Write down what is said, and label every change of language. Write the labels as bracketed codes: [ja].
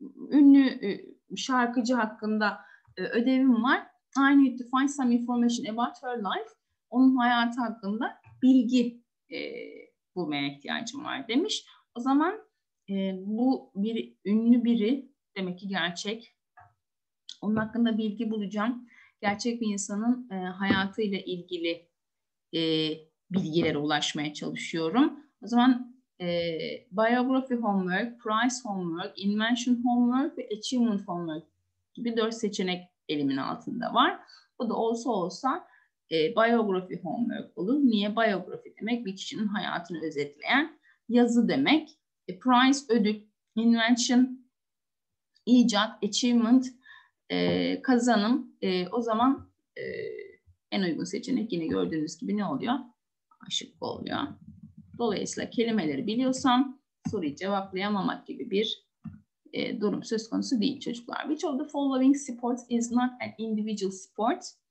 [tr] Ünlü şarkıcı hakkında ödevim var. [en] I need to find some information about her life. [tr] Onun hayatı hakkında bilgi bulmaya ihtiyacım var demiş. O zaman bu bir ünlü biri demek ki gerçek. Onun hakkında bilgi bulacağım. Gerçek bir insanın hayatıyla ilgili bilgilere ulaşmaya çalışıyorum. O zaman [en] biography homework, prize homework, invention homework ve achievement homework [tr] gibi 4 seçenek elimin altında var. Bu da olsa olsa biography homework olur. Niye? Biography demek bir kişinin hayatını özetleyen yazı demek. Prize ödül, invention, icat, achievement, kazanım. O zaman en uygun seçenek yine gördüğünüz gibi ne oluyor? Aşık oluyor. Dolayısıyla kelimeleri biliyorsam soruyu cevaplayamamak gibi bir durum söz konusu değil çocuklar. [en] Which of the following sports is not an individual sport?